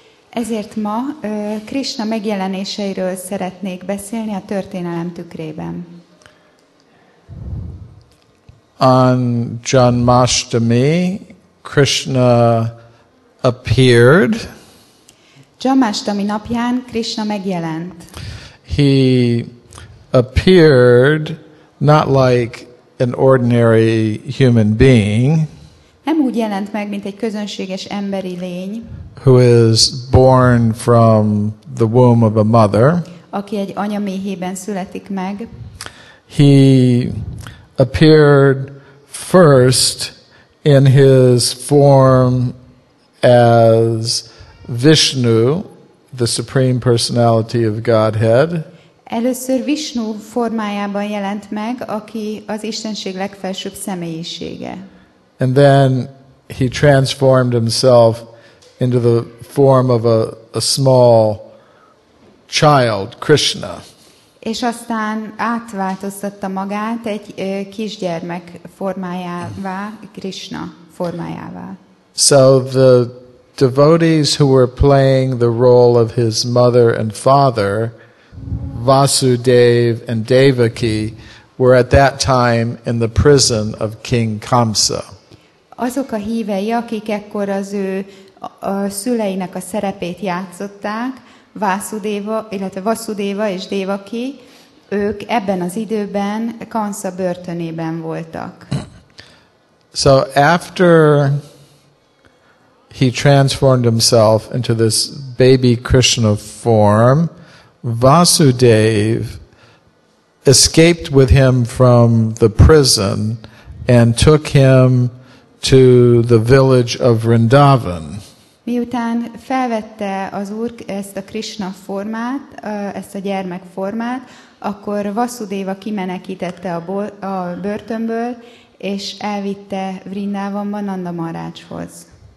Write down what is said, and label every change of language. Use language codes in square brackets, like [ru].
[hu] Ezért ma Krishna megjelenéseiről szeretnék beszélni a történelem tükrében. [en] On Janmashtami, Krishna appeared. [hu] Janmashtami napján Krishna megjelent. [en] He appeared not like an ordinary human being. [hu] Nem úgy jelent meg, mint egy közönséges emberi lény. [en] Who is born from the womb of a mother. [hu] Aki egy anya méhében születik meg. [en] He appeared first in his form as Vishnu, the Supreme Personality of Godhead. [hu] Először Vishnu formájában jelent meg, aki az Istenség legfelsőbb személyisége. [en] And then he transformed himself into the form of a small child, Krishna. [hu] És aztán átváltoztatta magát egy kisgyermek formájává, Krishna formájává. [en] So the devotees who were playing the role of his mother and father, Vasudev and Devaki, were at that time in the prison of King Kamsa. [hu] Azok a hívei, akik ekkor az ő a szüleinek a szerepét játszották, Vasudeva, illetve Vasudeva és Devaki, ők ebben az időben Kansa börtönében voltak. [en] So after he transformed himself into this baby Krishna form, Vasudev escaped with him from the prison and took him to the village of Vrindavan. [hu] Miután felvette az Úr ezt a Krishna formát, ezt a gyermek formát, akkor Vasudeva kimenekítette a börtönből, és elvitte Vrindavanba Nanda Maharajhoz.